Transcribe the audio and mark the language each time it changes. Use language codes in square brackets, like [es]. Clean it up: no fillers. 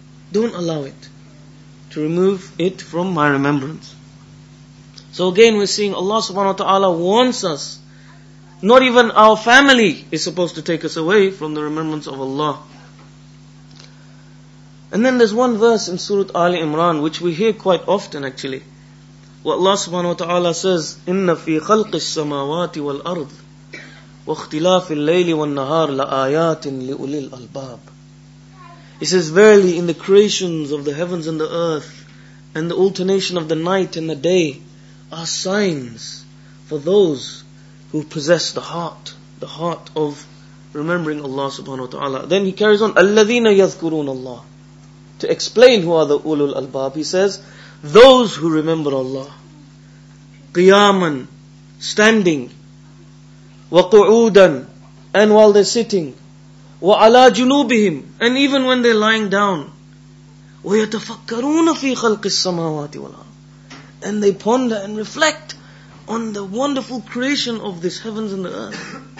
[en] Don't allow it to remove it from my remembrance. So again, we're seeing Allah subhanahu wa ta'ala wants us. Not even our family is supposed to take us away from the remembrance of Allah. And then there's one verse in Surah Ali Imran which we hear quite often actually. What Allah subhanahu wa ta'ala says, [ar] إِنَّ فِي خَلْقِ السَّمَاوَاتِ وَالْأَرْضِ وَاخْتِلَافِ اللَّيْلِ وَالنَّهَارِ لَآيَاتٍ لِأُولِي الْأَلْبَابِ. [en] He says, verily in the creations of the heavens and the earth and the alternation of the night and the day are signs for those who possess the heart of remembering Allah subhanahu wa ta'ala. Then he carries on, [ar] أَلَّذِينَ يَذْكُرُونَ اللَّهِ. [en] To explain who are the ulul albab, he says, those who remember Allah, qiyaman, standing, wa qu'udan, and while they're sitting, wa ala junubihim, and even when they're lying down, [ar] wa yatafakkaruna fi khalqis samawati wal ard, [en] and they ponder and reflect on the wonderful creation of this heavens and the earth.